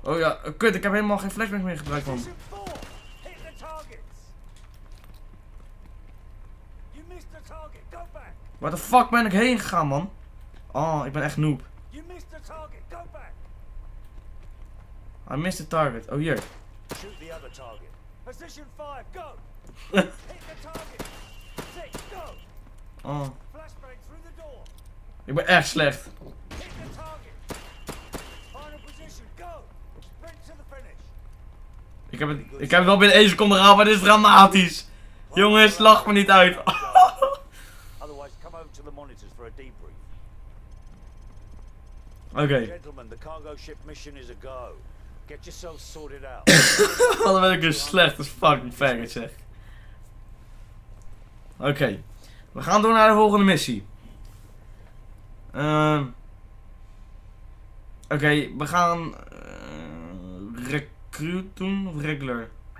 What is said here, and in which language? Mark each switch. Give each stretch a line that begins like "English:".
Dutch: Oh ja, kut, ik heb helemaal geen flashbang meer gebruikt, man.
English: Position 4, hit the targets. You missed the target, go back.
Dutch: Waar de fuck ben ik heen gegaan, man? Oh, ik ben echt noob.
English: You missed the target. Go back. I missed the target. Oh, hier. Shoot the other target. Position 5, go! Hit the target! 6, go! Oh. Flashbang through the door!
Dutch: Ik ben echt slecht.
English: Hit the target! Final position, go! Sprint to the finish!
Dutch: Ik heb het al binnen 1 seconde gehaald, maar dit is dramatisch! Jongens, lach me niet uit!
English: Otherwise, come over to the monitors for a debrief. Okay. Gentlemen, the cargo ship mission is a go. Get yourself sorted out.
Dutch: Wat ben ik een slecht als fucking faggot zeg. Okay. We gaan door naar de volgende missie. Okay, we gaan... recruit doen of regular?